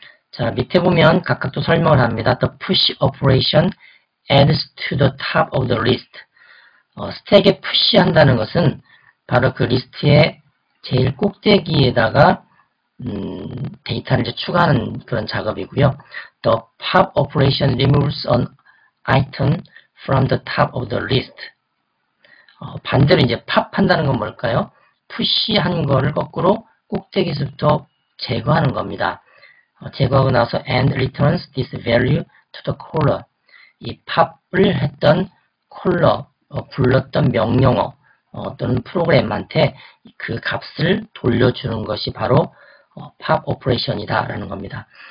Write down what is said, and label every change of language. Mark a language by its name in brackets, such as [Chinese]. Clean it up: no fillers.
[Korean] 자, 밑에 보면 각각 또 설명을 합니다. [English] The push operation adds to the top of the list. [Korean] stack에 push 한다는 것은, 바로 그 리스트의 제일 꼭대기에다가 데이터를 이제 추가하는 그런 작업이고요. [English] The pop operation removes an item from the top of the list. [Korean] 반대로 이제 pop한다는 건 뭘까요? push한 거를 거꾸로 꼭대기에서부터 제거하는 겁니다. 제거하고 나서 [English] and returns this value to the caller. [Korean] 이 pop을 했던 caller, 불렀던 명령어 또는 프로그램한테 그 값을 돌려주는 것이 바로 pop operation이다라는 겁니다.